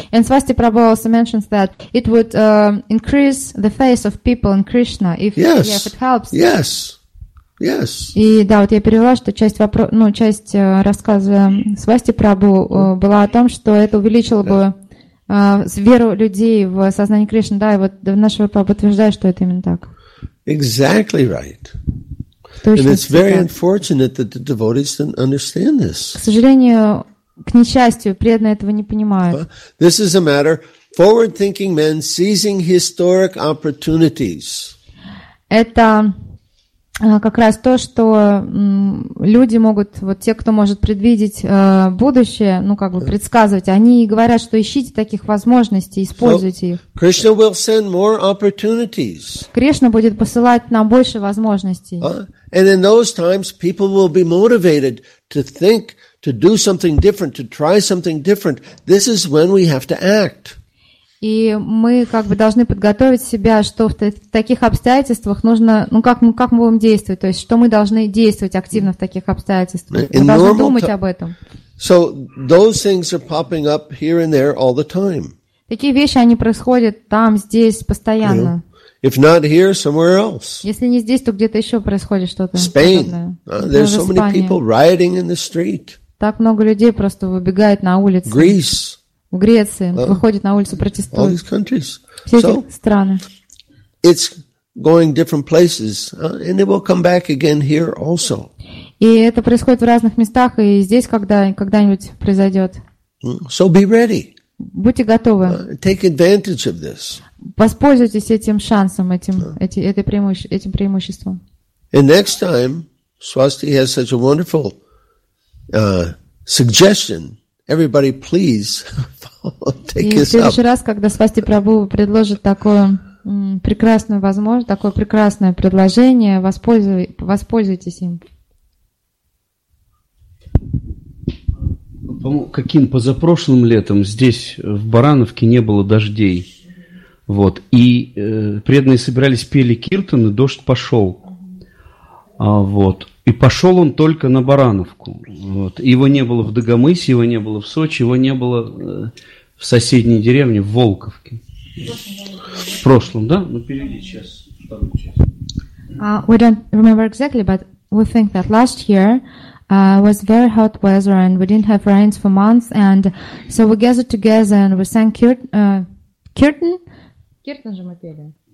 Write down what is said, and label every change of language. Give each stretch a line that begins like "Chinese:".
English: And Swasti Prabhu also mentions that it would increase the faith of people in Krishna if it helps. Yes. Yes.
Russian: И да, вот я перевела, что часть часть рассказа Свасти Прабху была о том, что это увеличило бы веру людей в сознание Кришны. Да, и вот наш Прабху утверждает, что это именно так.
English: Exactly right. And it's very unfortunate that the devotees don't understand this.
Russian: К сожалению, к несчастью, преданные этого не понимают.
English: This is a matter of forward-thinking men seizing historic opportunities.
Russian: Это как раз то, что люди могут, вот те, кто может предвидеть будущее, ну как бы предсказывать, они говорят, что ищите таких возможностей, используйте их.
English: Krishna will send more opportunities.
Russian: Кришна будет посылать нам больше возможностей.
English: And in those times people will be motivated to think, to do something different, to try something different. This is when we have to act.
Russian: И мы как бы должны подготовить себя, что в таких обстоятельствах нужно, ну как мы будем действовать, то есть что мы должны действовать активно в таких обстоятельствах. Мы должны думать об этом.
English: So those things are popping up here and there all the time.
Russian: Такие вещи, они происходят там, здесь, постоянно.
English: If not here, somewhere else.
Russian: Если не здесь, то где-то еще происходит что-то.
English: Spain. There's so many people rioting in the street.
Russian: Так много людей просто выбегает на улицы.
English: Greece.
Russian: В Греции выходит на улицу протестовать.
English: All these countries.
Russian: Все эти страны.
English: It's going different places, and it will come back again here also.
Russian: И это происходит в разных местах, и здесь когда-нибудь произойдет.
English: So be ready.
Russian: Будьте готовы.
English: Take advantage of this.
Russian: Воспользуйтесь этим шансом, этим преимуществом.
English: And next time, Swasti has such a wonderful suggestion. Everybody, please take this up.
Russian: И в следующий раз, когда Свасти Прабху предложит такое прекрасное возможность, такое прекрасное предложение, воспользуйтесь им. Каким позапрошлым летом здесь в Барановке не было дождей, вот, и преданные собирались, пели киртан, и дождь пошел, вот. И пошел он только на Барановку. Вот. Его не было в Дагомысе, его не было в Сочи, его не было в соседней деревне, в Волковке. В прошлом, да? Ну, перейди сейчас.
English: We don't remember exactly, but we think that last year was very hot weather and we didn't have rains for months. And so we gathered together and we sang Kirtan.
Russian: Kirtan же мы пели.